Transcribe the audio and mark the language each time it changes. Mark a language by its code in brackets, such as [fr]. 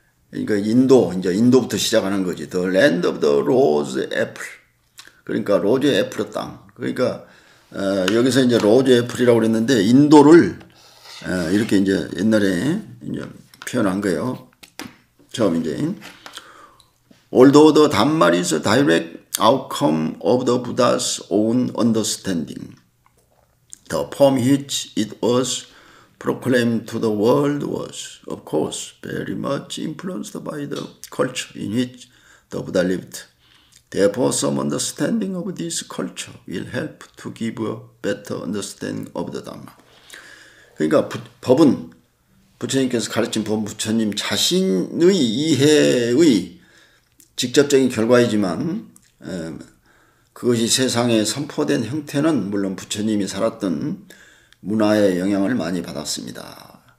[ko] 그러니까 인도, 이제 인도부터 시작하는 거지. [en] The land of the rose apple. [ko] 그러니까 로즈 애플의 땅. 그러니까 여기서 이제 로즈 애플이라고 그랬는데, 인도를 이렇게 이제 옛날에 이제 표현한 거예요. 처음 이제 [en] Although the Dhamma is a direct outcome of the Buddha's own understanding, the form which it was proclaimed to the world was, of course, very much influenced by the culture in which the Buddha lived. Therefore, some understanding of this culture will help to give a better understanding of the Dhamma. [ko] 그러니까 법은 부처님께서 가르친 법, 부처님 자신의 이해의 직접적인 결과이지만, 그것이 세상에 선포된 형태는 물론 부처님이 살았던 문화의 영향을 많이 받았습니다.